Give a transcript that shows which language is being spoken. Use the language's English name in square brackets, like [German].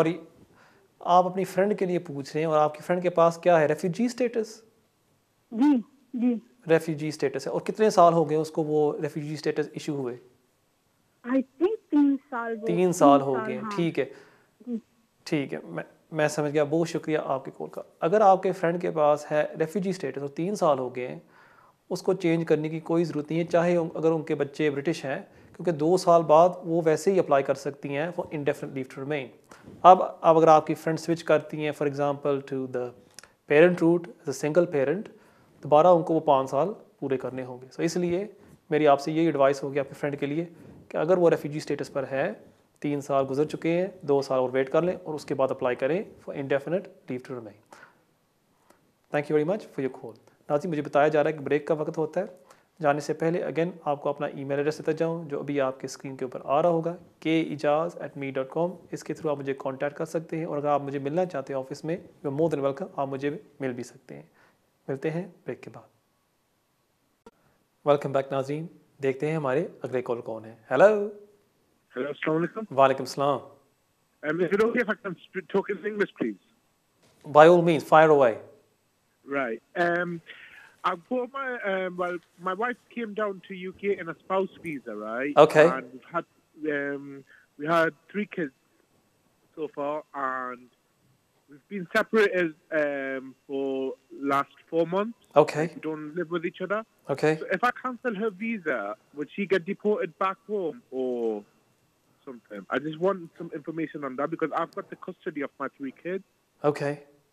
[Hindi] Sorry, आप अपनी friend के लिए पूछ रहे हैं और आपकी फ्रेंड के पास क्या है, रेफ्यूजी स्टेटस? जी जी, रेफ्यूजी स्टेटस है। और कितने साल हो गए उसको वो रेफ्यूजी स्टेटस इशू हुए? [English] I think 3 साल। [Hindi] 3 साल हो गए। ठीक है ठीक है, मैं समझ गया, बहुत शुक्रिया आपके कॉल का। अगर आपके फ्रेंड के पास है रेफ्यूजी स्टेटस और 3 साल हो गए हैं, उसको चेंज करने की कोई ज़रूरत नहीं है, चाहे अगर उनके बच्चे ब्रिटिश हैं, क्योंकि 2 साल बाद वो वैसे ही अप्लाई कर सकती हैं [English] For indefinite leave to remain. [Hindi] अब अगर आपकी फ्रेंड स्विच करती हैं [English] for example to the parent route as a single parent, [Hindi] दोबारा उनको वो 5 साल पूरे करने होंगे। सो इसलिए मेरी आपसे यही एडवाइस होगी आपके फ्रेंड के लिए कि अगर वो रेफ्यूजी स्टेटस पर है, 3 साल गुजर चुके हैं, 2 साल और वेट कर लें और उसके बाद अप्लाई करें [English] For indefinite leave to remain. Thank you very much for your call. [Hindi] Nazi, मुझे बताया जा रहा है कि ब्रेक का वक्त होता है, जाने से पहले अगेन आपको अपना ईमेल एड्रेस देता जाऊँ जो अभी आपके स्क्रीन के ऊपर आ रहा होगा, keijaz@me.com। इसके थ्रू आप मुझे कॉन्टैक्ट कर सकते हैं, और अगर आप मुझे मिलना चाहते हैं ऑफिस में, [English] you are more than welcome, [Hindi] आप मुझे मिल भी सकते हैं। मिलते हैं ब्रेक के बाद। [English] welcome back [Hindi] नाजीन, देखते हैं हमारे अगले कॉल कौन है। हेलो हेलो, अस्सलाम वालेकुम। वालेकुम सलाम। [English] Um mister okay, if I can talk in English please. By all means, fire away. Right, I got my well my wife came down to UK in a spouse visa, right? Okay, and we had we had 3 kids so far, and We've been separated for last 4 months. Okay. We don't live with each other. Okay. So if I cancel her visa, would she get deported back home or something? I just want some information on that because I've got the custody of my 3 kids. Okay.